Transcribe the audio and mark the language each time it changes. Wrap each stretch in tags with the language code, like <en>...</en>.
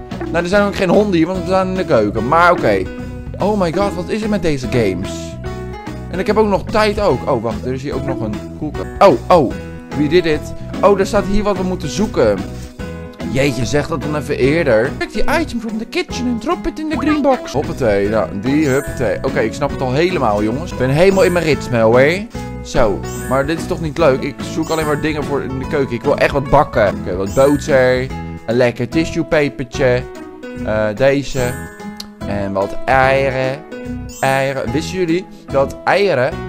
<nl>Nou, er zijn ook geen honden hier, want we staan in de keuken. Maar oké.</nl> <en>Oh my god,</en> <nl>wat is er met deze games? En ik heb ook nog tijd ook. Oh, wacht, er is hier ook nog een koelkast. Oh, wie did it? Oh, er staat hier wat we moeten zoeken. Jeetje, zeg dat dan even eerder.</nl> <en>Pick the item from the kitchen and drop it in the green box.</en> <nl>Hoppatee, nou, die huppatee. Oké, ik snap het al helemaal, jongens. Ik ben helemaal in mijn ritme, hè? Zo, maar dit is toch niet leuk? Ik zoek alleen maar dingen voor in de keuken. Ik wil echt wat bakken. Oké, wat boter. Een lekker tissuepapertje. Deze. En wat eieren. Wisten jullie dat eieren...</nl>